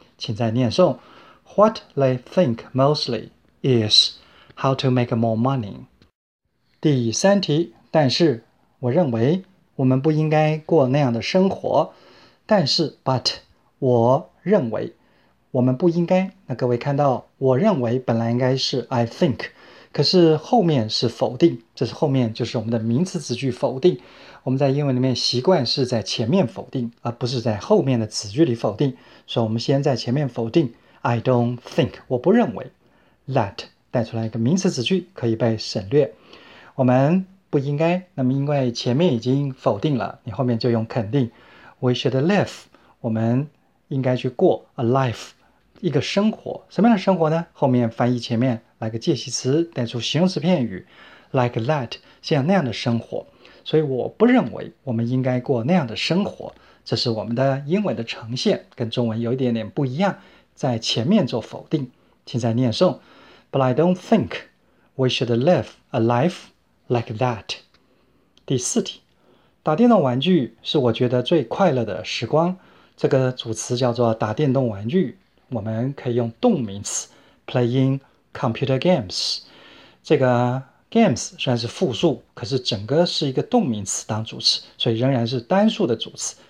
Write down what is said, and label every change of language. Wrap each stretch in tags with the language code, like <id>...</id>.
<zh>请再念诵，</zh> <en>What they think mostly is how to make more money。</en> <zh>第三题，但是我认为。我们不应该过那样的生活，但是，but，我认为我们不应该。那各位看到，我认为本来应该是</zh> <en>I think，</en> <zh>可是后面是否定，这是后面就是我们的名词子句否定。我们在英文里面习惯是在前面否定，而不是在后面的子句里否定。所以，我们先在前面否定</zh> <en>I don't think，</en> <zh>我不认为 that 带出来一个名词子句可以被省略。我们。不应该，那么因为前面已经否定了，你后面就用肯定。</zh> <en>We should live，</en> <zh>我们应该去过</zh> <en>a life，</en> <zh>一个生活。什么样的生活呢？后面翻译前面来个介系词，带出形容词片语，</zh> <en>like that，</en> <zh>像那样的生活。所以我不认为我们应该过那样的生活。这是我们的英文的呈现，跟中文有一点点不一样，在前面做否定，请再念诵。</zh> <en>But I don't think we should live a life。 Like that。</en> <zh>第四题，打电动玩具是我觉得最快乐的时光。这个主词叫做打电动玩具，我们可以用动名词</zh> <en>playing computer games。</en> <zh>这个 games 虽然是复数，可是整个是一个动名词当主词，所以仍然是单数的主词。</zh>